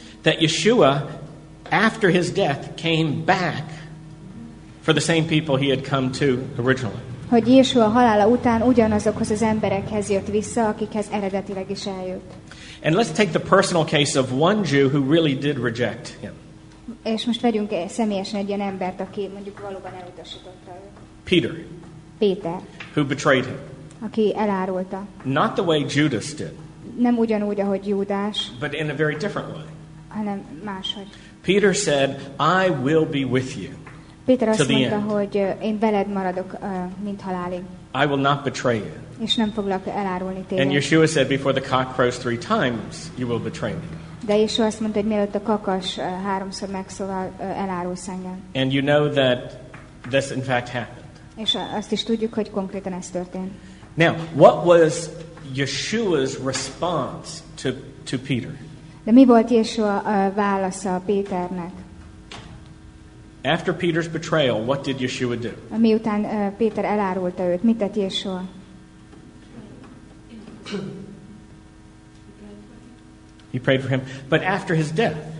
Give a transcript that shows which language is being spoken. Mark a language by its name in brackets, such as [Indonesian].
[English] That Yeshua, after his death, came back for the same people he had come to originally. [Hungarian] Hogy Yeshua halála után ugyanazokhoz az emberekhez jött vissza, akikhez eredetileg is eljött. [English] And let's take the personal case of one Jew who really did reject him. [Hungarian] És most vegyünk személyesen egy ilyen embert, aki mondjuk valóban elutasította őt. [English] Peter. [Hungarian] Péter. [English] Who betrayed him. [Hungarian] Aki elárulta. [English] Not the way Judas did. [Hungarian] Nem ugyanúgy, ahogy Júdás. [English] But in a very different way. [Hungarian] Hanem máshogy. [English] Peter said, I will be with you. [Hungarian] Péter azt mondta, hogy én veled maradok, mint halálig. [English] I will not betray you. [Hungarian] És nem foglak elárulni téged. [English] And Yeshua said, before the cock crows three times, you will betray me. [Hungarian] De Yeshua azt mondta, hogy mielőtt a kakas háromszor megszólal, elárulsz engem. [English] And you know that this in fact happened. [Hungarian] És azt is tudjuk, hogy konkrétan ez történt. [English] Now, what was Yeshua's response to Peter? [Hungarian] De mi volt Yeshua válasza Péternek? [English] After Peter's betrayal, what did Yeshua do? [Hungarian] Miután Péter elárulta őt, mit tett Yeshua? [English] He prayed for him, but after his death.